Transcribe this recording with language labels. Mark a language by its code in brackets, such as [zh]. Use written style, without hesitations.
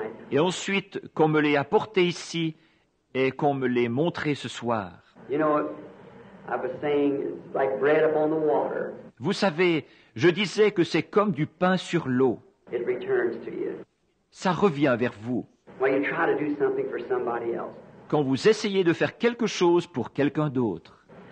[fr] Et ensuite, qu'on me l'ait apportée ici et qu'on me l'ait montrée ce soir. [en] You know, I was saying, like bread upon the water. [fr] Vous savez, je disais que c'est comme du pain sur l'eau. [en] It returns to you. [fr] Ça revient vers vous. [en] When you try to do something for somebody else. [fr] Quand vous essayez de faire quelque chose pour quelqu'un d'autre.